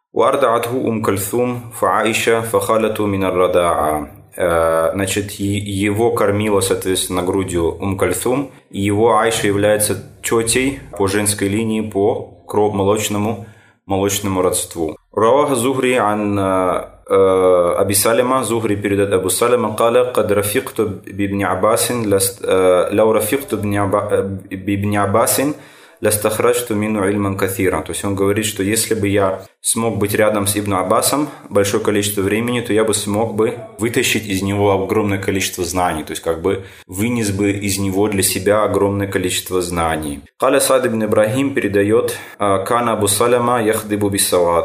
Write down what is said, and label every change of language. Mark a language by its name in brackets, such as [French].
[Arabic] Уардаатху ум кальсум фа аиша фа халату мин ар-радаа. [Russian] Значит, его кормила, соответственно, грудью ум кальсум, и его Аиша является тетей по женской линии, по молочному родству. [Arabic] رواه زهري عن أبي سلمة زهري [Russian] передает [Arabic] أبو سلمة قال قد رفقت بابن عباس لست لو رفقت بابن عباس لاستخرجت منه علما كثيرا. [Russian] То есть он говорит, что если бы я смог быть рядом с Ибн Аббасом большое количество времени, то я бы смог бы вытащить из него огромное количество знаний, то есть как бы вынес бы из него для себя огромное количество знаний. Каля Саад ибн Ибрахим передает [Arabic] кана Абу Салама яхдибу бисава.